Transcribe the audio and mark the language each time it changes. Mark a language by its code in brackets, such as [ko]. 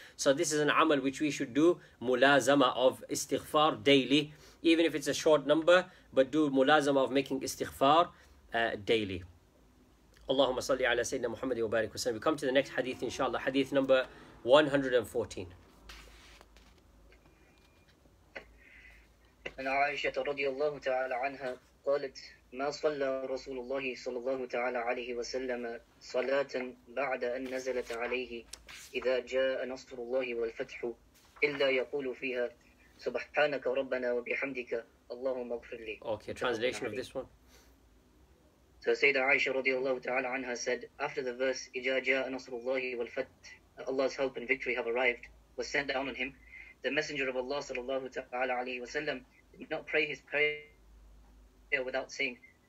[en] So this is an amal which we should do, mulazama of istighfar daily, even if it's a short number, but do mulazama of making istighfar daily. [ar] Allahumma salli ala sayyidina Muhammad wa barik wasallam. [en] We come to the next hadith inshallah, hadith number 114. [ar] عن عائشة رضي الله تعالى عنها قالت ما صلى رسول الله صلى الله تعالى عليه وسلم صلاة بعد أن نزلت عليه إذا جاء نصر الله والفتح إلا يقول فيها سبحانك ربنا وبحمدك اللهم اغفر لي. [en] Okay, translation of this one. So [ar] سيدة عائشة رضي الله تعالى عنها [en] said after the verse [ar] إذا جاء نصر الله والفتح, [en] Allah's help and victory have arrived, was sent down on him, the messenger of Allah [ar] صلى الله تعالى عليه وسلم [en] not pray his prayer without saying